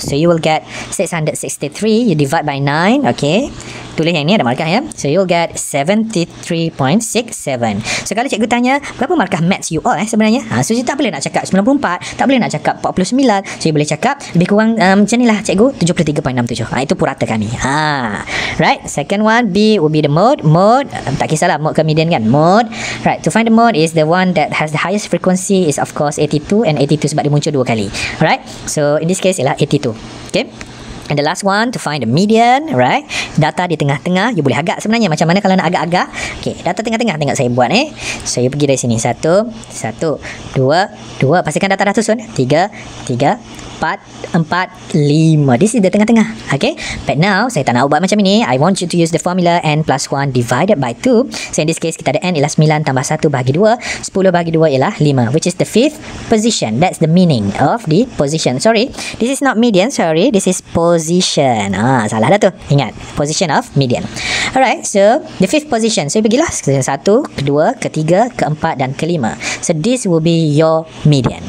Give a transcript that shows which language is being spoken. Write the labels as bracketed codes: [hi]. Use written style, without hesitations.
[en] So you will get 663. You divide by 9, okay. [ms] Tulis yang ni ada markah ya. So you'll get 73.67. So kalau cikgu tanya, berapa markah maths you all sebenarnya? So you tak boleh nak cakap 94, tak boleh nak cakap 49. So you boleh cakap lebih kurang macam ni lah cikgu, 73.67. [en] Itu purata kami. Right, second one, B will be the mode. [ms] Tak kisahlah mode ke median kan. [en] Mode, right, to find the mode is the one that has the highest frequency is of course 82 and 82 sebab dia muncul dua kali. Right, so in this case ialah 82. Okay, and the last one, to find the median, right? [ms] Data di tengah-tengah, you boleh agak sebenarnya. Macam mana kalau nak agak-agak? Okay, data tengah-tengah tengok saya buat eh. So, you pergi dari sini. 1, 1, 2, 2. Pastikan data dah susun. [en] 3, 3, 4, 4, 5. This is the tengah-tengah. Okay? [ms] But now, saya tak nak ubah macam ini. [en] I want you to use the formula n plus 1 divided by 2. [ms] So, in this case, kita ada n ialah 9 tambah 1 bahagi 2. 10 bahagi 2 ialah 5, which is the 5th position. [en] That's the meaning of the position. Sorry, this is not median. Sorry, this is position. Salah dah tu. Ingat, position of median. Alright, so the 5th position. So, pergilah. 1, 2, 3, 4 dan 5. So, this will be your median.